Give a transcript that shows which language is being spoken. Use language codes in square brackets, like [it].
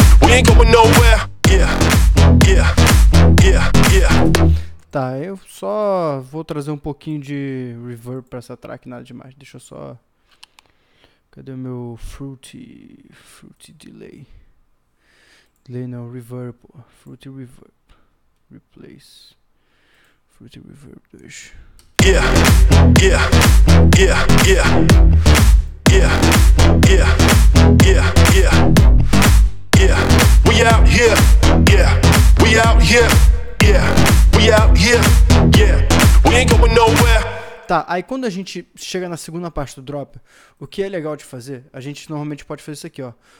[en] We ain't going nowhere, yeah, yeah. Yeah, yeah. [pt] Tá, eu só vou trazer um pouquinho de reverb pra essa track, nada demais. Deixa eu só... Cadê o meu fruity delay? Delay não, reverb. Fruity reverb. Replace. Fruity reverb 2. [en] Yeah, yeah, yeah, yeah. Yeah, yeah, yeah, yeah, yeah. Yeah, we out here, yeah. We out here. Yeah, we out here, yeah. We ain't going nowhere. [pt] Tá, aí quando a gente chega na segunda parte do drop, o que é legal de fazer, a gente normalmente pode fazer isso aqui, ó.